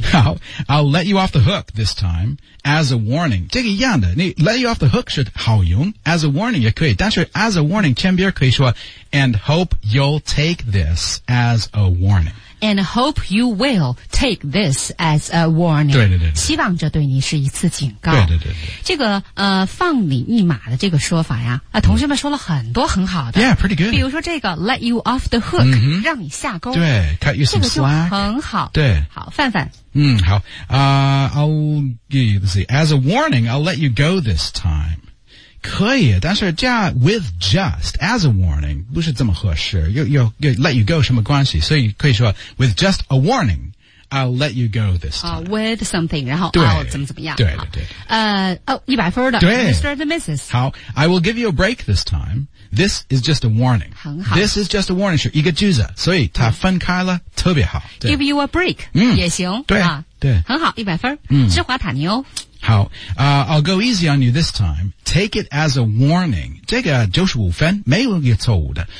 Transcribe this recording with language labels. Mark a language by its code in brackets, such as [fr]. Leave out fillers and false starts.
[en] 好 I'll let you off the hook this time as a warning [zh] 这个一样的你 [en] let you off the hook [zh] 是好用 [en] as a warning [zh] 也可以但是 [en] as a warning [zh] 前边可以说 [en] and hope you'll take this as a warning and hope you will take this as a warning [zh] 对对 对, 对希望这对你是一次警告对对 对, 对, 对这个放你一马的这个说法呀、同学们说了很多很好的 [en] yeah pretty good [zh] 比如说这个 [en] let you off the hook、 mm-hmm. [zh] 让你下钩对 [en] cut you some slack [zh] 这个就很好对好范范 [en] 嗯好I'll give you, let's see as a warning I'll let you go this time [zh] 可以但是这样 [en] with just as a warning [zh] 不是这么合适 有 let you go 什么关系所以可以说 [en] with just a warning I'll let you go this time、 with something 然后 I'll [zh] 怎么怎么样对对对哦100分的对 [en] Mr. and Mrs. 好 I will give you a break this time This is just a warning [zh] 很好 [en] This is just a warning [zh] 是一个句子所以它分开了、特别好 [en] Give you a break、 [zh] 也行对、对很好100分、是华塔尼哦 [en] 好、I'll go easy on you this time. Take it as a warning. [zh] 这个95分没有一个错误的。